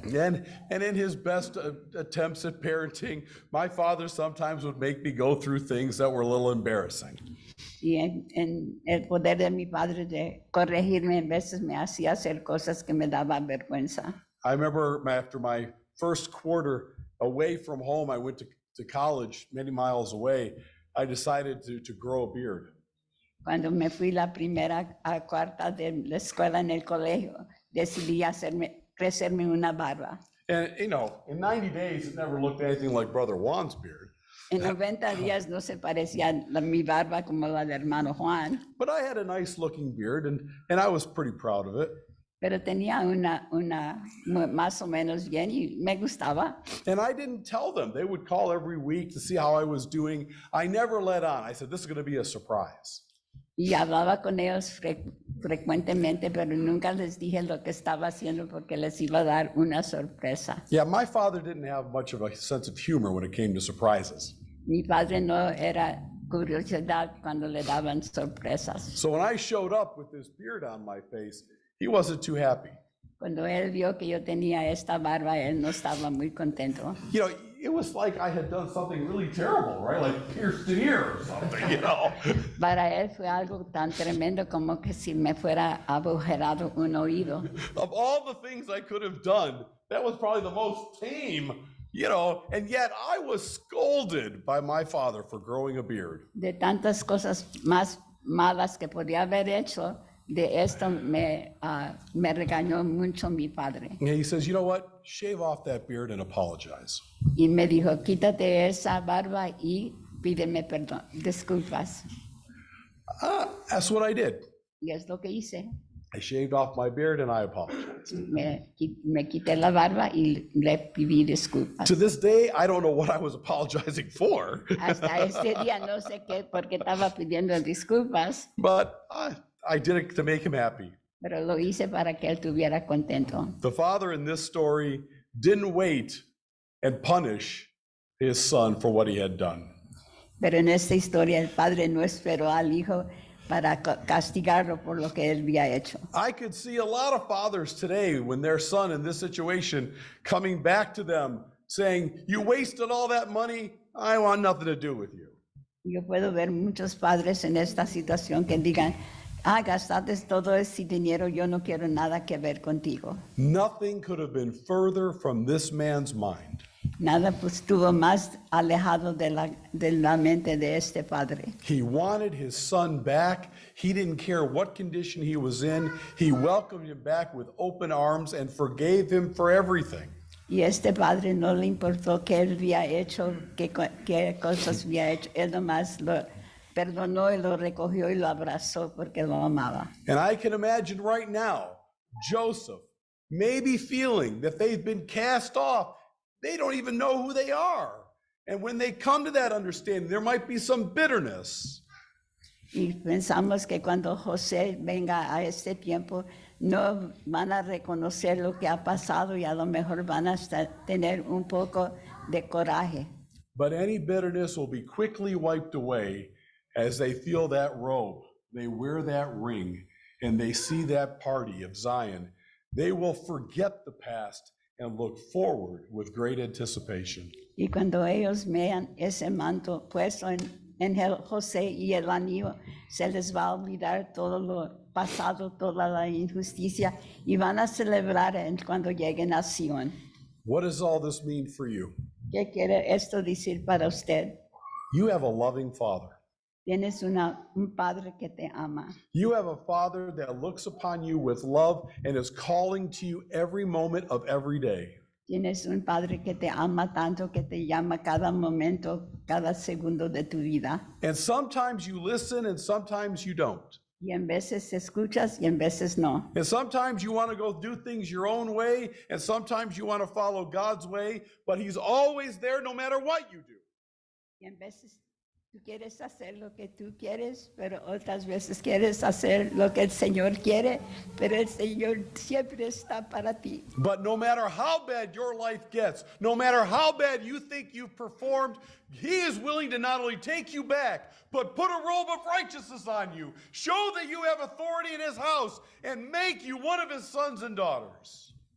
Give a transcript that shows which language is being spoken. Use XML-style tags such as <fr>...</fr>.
<en>And in his best attempts at parenting, my father sometimes would make me go through things that were a little embarrassing.</en> <es>Y en el poder de mi padre de corregirme, en veces me hacía hacer cosas que me daba vergüenza.</es> <en>I remember after my first quarter away from home, I went to college many miles away. I decided to grow a beard.</en> <es>Cuando me fui la primera a cuarta de la escuela en el colegio, decidí hacerme crecerme una barba.</es> <en>And you know, in 90 days, it never looked anything like Brother Juan's beard.</en> <es>En 90 días no se parecía mi barba como la de hermano Juan.</es> <en>But I had a nice looking beard, and I was pretty proud of it.</en> <es>Pero tenía una más o menos bien y me gustaba.</es> <en>And I didn't tell them. They would call every week to see how I was doing. I never let on. I said, this is going to be a surprise.</en> <es>Y hablaba con ellos frecuentemente, pero nunca les dije lo que estaba haciendo porque les iba a dar una sorpresa.</es> <en>Yeah, my father didn't have much of a sense of humor when it came to surprises.</en> <es>Mi padre no era curiosidad cuando le daban sorpresas.</es> <en>So when I showed up with this beard on my face, he wasn't too happy.</en> <es>Cuando él vio que yo tenía esta barba, él no estaba muy contento.</es> <en>You know, it was like I had done something really terrible, right? Like pierced an ear or something, you know.</en> <es>Para él fue algo tan tremendo como que si me fuera agujerado un oído.</es> <en>Of all the things I could have done, that was probably the most tame, you know, and yet I was scolded by my father for growing a beard.</en> <es>De tantas cosas más malas que podía haber hecho, de esto me regañó mucho mi padre.</es> <en>Yeah, he says, you know what? Shave off that beard and apologize.</en> <es>Y me dijo, quítate esa barba y pídeme perdón, disculpas.</es> <en>That's what I did.</en> <es>Y es lo que hice.</es> <en>I shaved off my beard and I apologized.</en> <es>Me quité la barba y le pedí disculpas.</es> <en>To this day, I don't know what I was apologizing for.</en> <es>Hasta ese día no sé qué, porque estaba pidiendo disculpas.</es> <en>But I did it to make him happy.</en> <es>Pero lo hice para que él estuviera contento.</es> <en>The father in this story didn't wait and punish his son for what he had done.</en> <es>Pero en esta historia el padre no esperó al hijo para castigarlo por lo que él había hecho.</es> <en>I could see a lot of fathers today when their son in this situation coming back to them saying, "You wasted all that money. I want nothing to do with you."</en> <es>Yo puedo ver muchos padres en esta situación que digan, ah, gastaste todo ese dinero, yo no quiero nada que ver contigo.</es> <en>Nothing could have been further from this man's mind.</en> <es>Nada estuvo más alejado de la mente de este padre.</es> <en>He wanted his son back. He didn't care what condition he was in. He welcomed him back with open arms and forgave him for everything.</en> <es>Y este padre no le importó qué él había hecho, qué cosas había hecho. Él nomás lo perdonó y lo recogió y lo abrazó porque lo amaba.</es> <en>And I can imagine right now, Joseph may be feeling that they've been cast off. They don't even know who they are. And when they come to that understanding, there might be some bitterness.</en> <es>Y pensamos que cuando José venga a este tiempo, no van a reconocer lo que ha pasado y a lo mejor van a tener un poco de coraje.</es> <en>But any bitterness will be quickly wiped away as they feel that robe, they wear that ring, and they see that party of Zion, they will forget the past and look forward with great anticipation.</en> <es>Y cuando ellos vean ese manto puesto en el José y el anillo, se les va a olvidar todo lo pasado, toda la injusticia, y van a celebrar cuando lleguen a Sion.</es> <en>What does all this mean for you?</en> <es>¿Qué quiere esto decir para usted?</es> <en>You have a loving father.</en> <es>Tienes un padre que te ama.</es> <en>You have a father that looks upon you with love and is calling to you every moment of every day.</en> <es>Tienes un padre que te ama tanto que te llama cada momento, cada segundo de tu vida.</es> <en>And sometimes you listen and sometimes you don't.</en> <es>Y en veces escuchas y en veces no.</es> <en>And sometimes you want to go do things your own way, and sometimes you want to follow God's way, but he's always there no matter what you do.</en> <es>Y en veces tú quieres hacer lo que tú quieres, pero otras veces quieres hacer lo que el Señor quiere, pero el Señor siempre está para ti.</es> <en>But no matter how bad your life gets, no matter how bad you think you've performed, he is willing to not only take you back, but put a robe of righteousness on you, show that you have authority in his house, and make you one of his sons and daughters.</en>